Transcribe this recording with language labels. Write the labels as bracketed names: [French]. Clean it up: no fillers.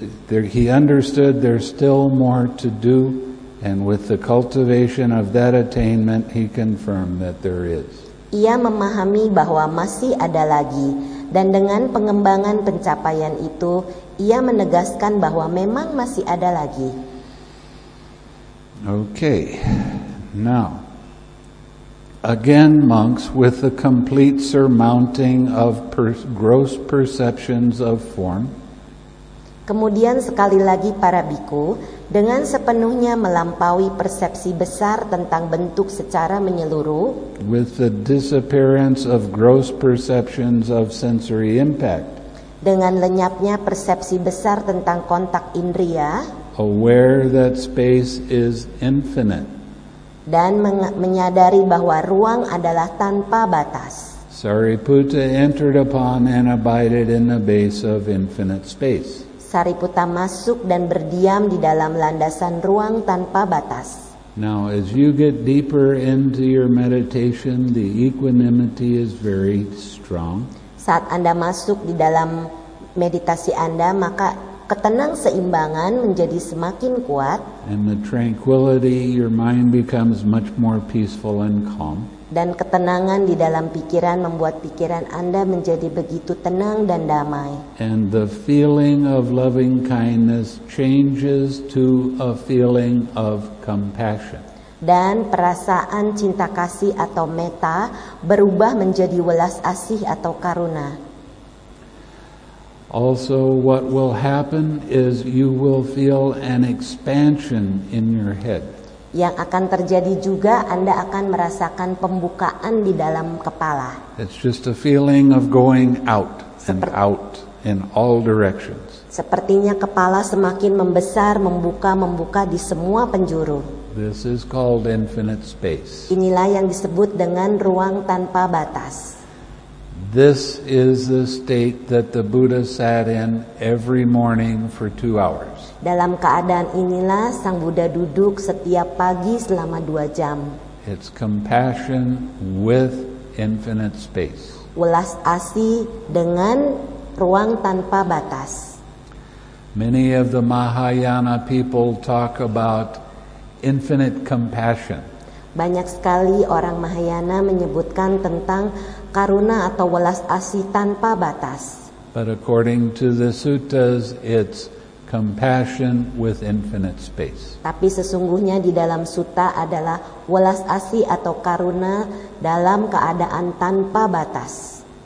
[English] He understood there's still more to do, and with the cultivation of that attainment, he confirmed that there is. [Indonesian] Ia memahami bahwa masih ada lagi, dan dengan pengembangan pencapaian itu, ia menegaskan bahwa memang masih ada lagi. [English] Okay, now, again, monks, with the complete surmounting of gross perceptions of form. [Indonesian] Kemudian sekali lagi para bhikkhu, dengan sepenuhnya melampaui persepsi besar tentang bentuk secara menyeluruh. [English] With the disappearance of gross perceptions of sensory impact. [Indonesian] Dengan lenyapnya persepsi besar tentang kontak indria. [English] Aware that space is infinite. [Indonesian] Dan menyadari bahwa ruang adalah tanpa batas. [English] Sariputta entered upon and abided in the base of infinite space. [Indonesian] Sariputta masuk dan berdiam di dalam landasan ruang tanpa batas. [English] Now, as you get deeper into your meditation, the equanimity is very strong. [Indonesian] Saat Anda masuk di dalam meditasi Anda, maka ketenang seimbangan menjadi semakin kuat. [English] And the tranquility, your mind becomes much more peaceful and calm. [Indonesian] Dan ketenangan di dalam pikiran membuat pikiran Anda menjadi begitu tenang dan damai. [English] And the feeling of loving kindness changes to a feeling of compassion. [Indonesian] Dan perasaan cinta kasih atau metta berubah menjadi welas asih atau karuna. [English] Also, what will happen is you will feel an expansion in your head. [Indonesian] Yang akan terjadi juga, Anda akan merasakan pembukaan di dalam kepala. [English] It's just a feeling of going out and out in all directions. [Indonesian] Sepertinya kepala semakin membesar, membuka di semua penjuru. [English] This is called infinite space. [Indonesian] Inilah yang disebut dengan ruang tanpa batas. [English] This is the state that the Buddha sat in every morning for 2 hours. [Indonesian] Dalam keadaan inilah Sang Buddha duduk setiap pagi selama 2 jam. [English] It's compassion with infinite space. [Indonesian] Welas asih dengan ruang tanpa batas. [English] Many of the Mahayana people talk about infinite compassion. [Indonesian] Banyak sekali orang Mahayana menyebutkan tentang karuna atau welas asih tanpa batas. [English] But according to the suttas, it's compassion with infinite space. [Indonesian] Tapi sesungguhnya di dalam sutta adalah welas asih atau karuna dalam keadaan tanpa batas.